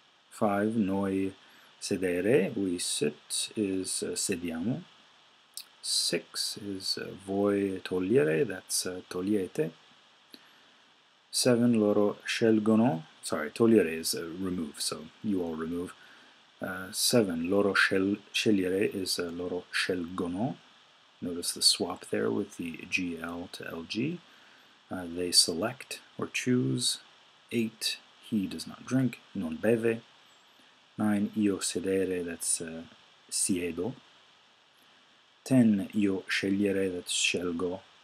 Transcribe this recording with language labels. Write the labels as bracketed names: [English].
[English] Five, [Italian] noi sedere, [English] we sit, is [Italian] sediamo. [English] Six is [Italian] voi togliere, [English] that's [Italian] togliete. [English] Seven, [Italian] loro scelgono, [English] sorry, [Italian] togliere [English] is remove, so you all remove. [Italian] Seven, loro scegliere is loro scelgono. [English] Notice the swap there with the GL to LG. They select or choose. Eight, he does not drink, [Italian] non beve. Nine, io sedere, that's siedo. 10, io scegliere, that's scelgo.